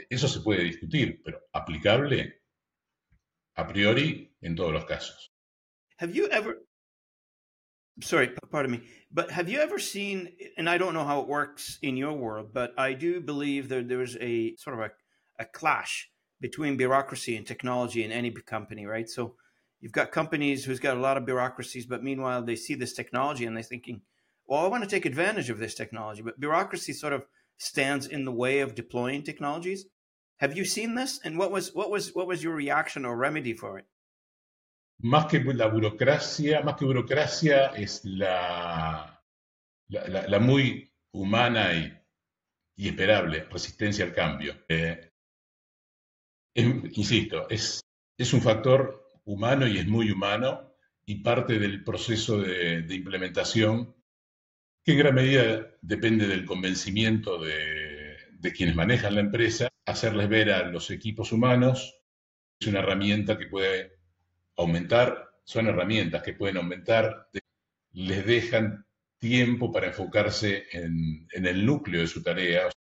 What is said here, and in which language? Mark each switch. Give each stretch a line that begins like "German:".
Spanish: Eso se puede discutir, pero aplicable a priori en todos los casos.
English: Have you ever seen, and I don't know how it works in your world, but I do believe that there's a sort of a clash between bureaucracy and technology in any company, right? So you've got companies who's got a lot of bureaucracies, but meanwhile, they see this technology and they're thinking, well, I want to take advantage of this technology. But bureaucracy sort of stands in the way of deploying technologies. Have you seen this? And what was your reaction or remedy for it?
Spanish: Más que la burocracia, es la muy humana y esperable resistencia al cambio. Insisto, es un factor humano y es muy humano y parte del proceso de implementación que en gran medida depende del convencimiento de quienes manejan la empresa, hacerles ver a los equipos humanos es una herramienta que puede aumentar, son herramientas que pueden aumentar, les dejan tiempo para enfocarse en el núcleo de su tarea, o sea,